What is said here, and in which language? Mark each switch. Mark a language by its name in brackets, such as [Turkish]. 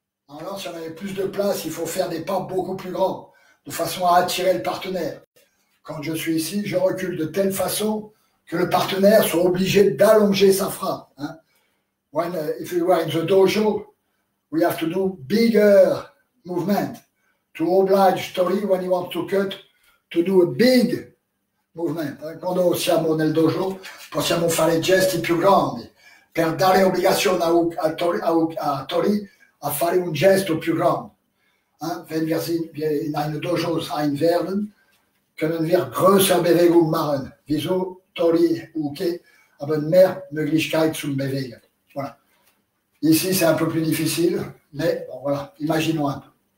[French] Alors, si on avait plus de place, il faut faire des pas beaucoup plus grands, de façon à attirer le partenaire. Quand je suis ici, je recule de telle façon que le partenaire soit obligé d'allonger sa frappe. Hein. [English] When, if we were in the dojo, we have to do bigger movement to oblige Tori when he wants to cut, to do a big movement. Hein. [Italian] Quando siamo nel dojo, possiamo fare gesti più grandi per dare obbligazione a Tori a fare un gesto più grande. Hein. [German] Wenn wir in einem dojo sein werden, können wir größer Bewegung machen. Wieso Tori OK, aber mehr Möglichkeit zum Bewegen. [French] Voilà. Ici, c'est un peu plus difficile, mais bon, voilà, imaginons un peu.